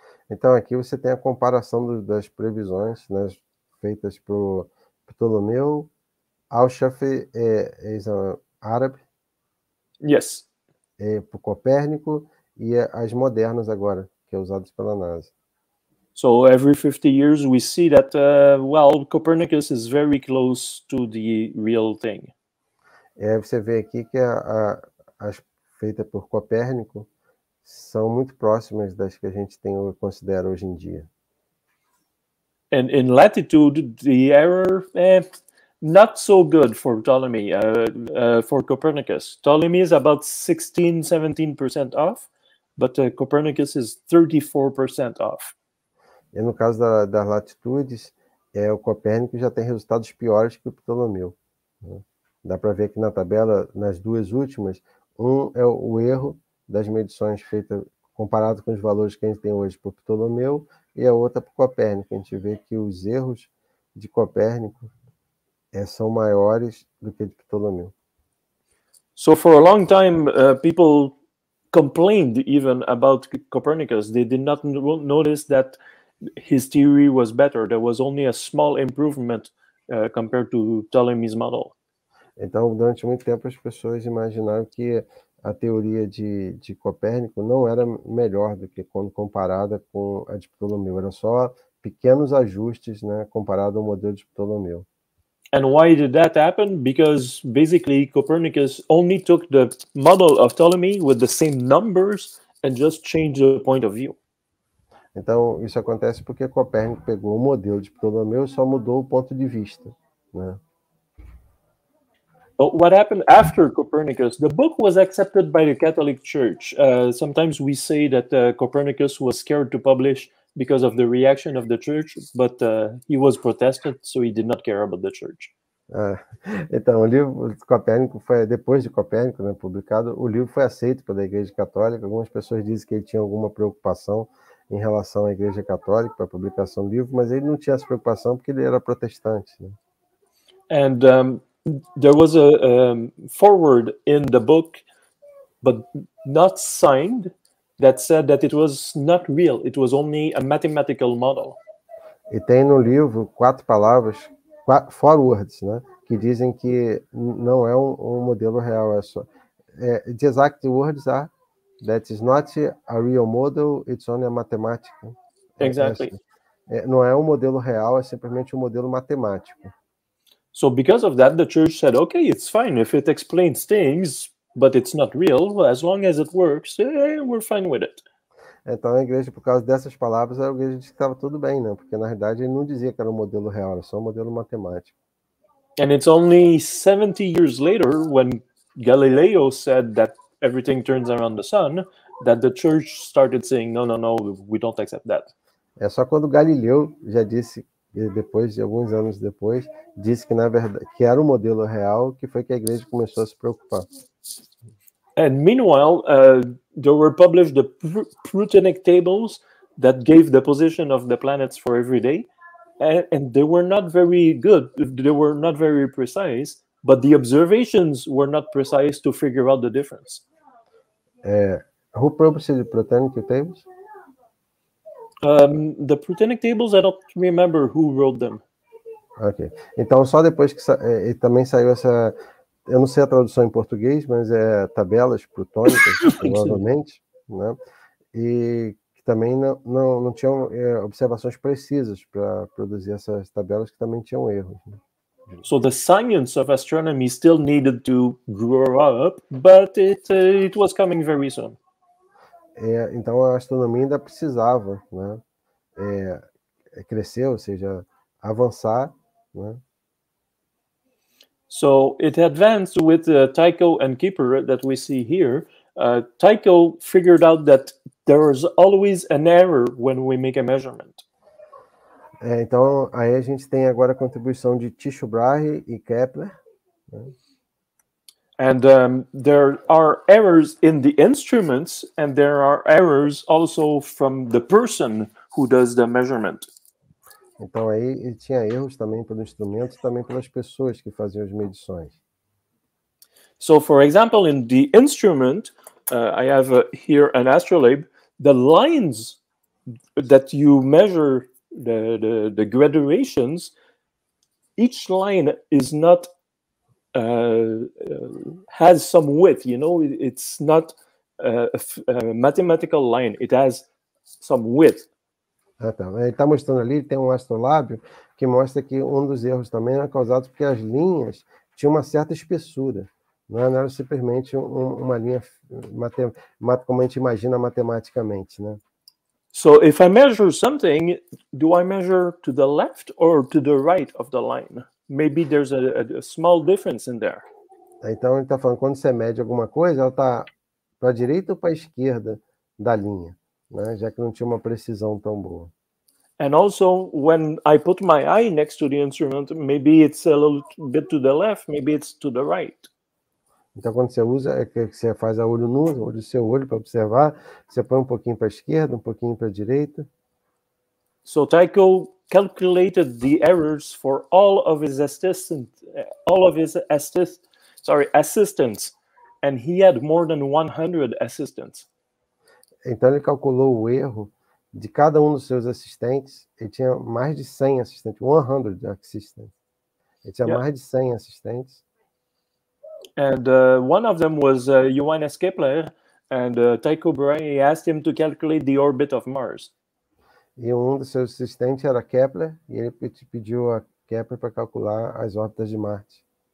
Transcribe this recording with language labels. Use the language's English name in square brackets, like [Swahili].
[Portuguese] Então aqui você tem a comparação das previsões, né, feitas por Ptolomeu, Al-Shafi, árabe. [English] Yes. [Portuguese] Por Copérnico e as modernas agora, que são usadas pela NASA. [English] So every 50 years we see that Copernicus is very close to the real thing. [Portuguese] Você vê aqui que as feitas por Copérnico são muito próximas das que a gente tem ou considera hoje em dia. [English] And in latitude the error not so good for Ptolemy for Copernicus. Ptolemy is about 16-17% off, but Copernicus is 34% off. [Portuguese] E no caso das latitudes, o Copérnico já tem resultados piores que o Ptolomeu. Dá para ver aqui na tabela, nas duas últimas, é o erro das medições feitas comparado com os valores que a gente tem hoje por Ptolomeu e a outra por Copérnico. A gente vê que os erros de Copérnico são maiores do que de Ptolomeu. [English] So for a long time, people complained even about Copernicus. They did not notice that his theory was better. There was only a small improvement compared to Ptolemy's model. [Portuguese] Então, durante muito tempo, as pessoas imaginaram que a teoria de Copérnico não era melhor do que quando comparada com a de Ptolomeu. Era só pequenos ajustes, né, comparado ao modelo de Ptolomeu. [English] And why did that happen? Because basically Copernicus only took the model of Ptolemy with the same numbers and just changed the point of view. [Portuguese] Então, isso acontece porque Copérnico pegou o modelo de Ptolomeu e só mudou o ponto de vista, né? [English] What happened after Copernicus? The book was accepted by the Catholic Church. Sometimes we say that Copernicus was scared to publish because of the reaction of the Church, but he was protested, so he did not care about the Church. [Portuguese] Então, o livro de Copérnico foi, depois de Copérnico, né, publicado, o livro foi aceito pela Igreja Católica. Algumas pessoas dizem que ele tinha alguma preocupação em relação à Igreja Católica para a publicação do livro, mas ele não tinha essa preocupação porque ele era protestante. Né? [English] And there was a foreword in the book, but not signed, that said that it was not real, it was only a mathematical model. [Portuguese] E tem no livro quatro palavras, forewords, né, que dizem que não é um modelo real. [English] The exact words are that it's not a real model, it's only a mathematical. Exactly. [Portuguese] Não é um modelo real, é simplesmente um modelo matemático. [English] So because of that, the church said, okay, it's fine if it explains things, but it's not real. As long as it works, we're fine with it. [Portuguese] Então, a igreja, por causa dessas palavras, a igreja disse que estava tudo bem, né? Porque, na realidade, ele não dizia que era um modelo real, era só um modelo matemático. [English] And it's only 70 years later, when Galileo said that everything turns around the sun, that the church started saying, no, no, no, we don't accept that. [Portuguese] É só quando Galileu já disse, depois de alguns anos depois, disse que, na verdade, que era um modelo real, que foi que a igreja começou a se preocupar. [English] And meanwhile, there were published the Prutenic tables that gave the position of the planets for every day. And they were not very good, they were not very precise, but the observations were not precise to figure out the difference. Who published the Prutenic tables? The Prutenic tables, I don't remember who wrote them. [Portuguese] Okay. Então, só depois que também saiu essa... Eu não sei a tradução em português, mas é tabelas plutônicas, provavelmente, né? E que também não tinham observações precisas para produzir essas tabelas, que também tinham erros. Né? [English] So the science of astronomy still needed to grow up, but it was coming very soon. [Portuguese] Então a astronomia ainda precisava, né? Crescer, ou seja, avançar, né? [English] So it advanced with Tycho and Kepler that we see here. Tycho figured out that there is always an error when we make a measurement. [Portuguese] Então aí a gente tem agora a contribuição de Tycho Brahe e Kepler. Né? [English] And there are errors in the instruments, and there are errors also from the person who does the measurement. [Portuguese] Então aí ele tinha erros também pelos instrumentos, também pelas pessoas que faziam as medições. [English] So, for example, in the instrument, I have here an astrolabe. The lines that you measure the graduations, each line is not has some width. You know, it's not a mathematical line. It has some width. [Portuguese] Ele está mostrando ali, tem um astrolábio que mostra que um dos erros também era causado porque as linhas tinham uma certa espessura, né? Não era simplesmente uma linha como a gente imagina matematicamente, né? [English] So if I measure something, do I measure to the left or to the right of the line? Maybe there's a small difference in there. [Portuguese] Então ele está falando, quando você mede alguma coisa, ela está para a direita ou para a esquerda da linha? Né? Já que não tinha uma precisão tão boa. [English] And also, when I put my eye next to the instrument, maybe it's a little bit to the left, maybe it's to the right. [Portuguese] Então, quando você usa, você faz a olho nu, o seu olho para observar, você põe um pouquinho para a esquerda, um pouquinho para a direita. [English] So Tycho calculated the errors for all of his assistants, and he had more than 100 assistants. [Portuguese] Então ele calculou o erro de cada um dos seus assistentes. Ele tinha mais de 100 assistentes, 100 assistentes. Ele tinha mais de 100 assistentes. [English] And one of them was Johannes Kepler, and Tycho Brahe asked him to calculate the orbit of Mars. [Portuguese] E um dos seus assistentes era Kepler, e ele pediu a Kepler para calcular as órbitas de Marte.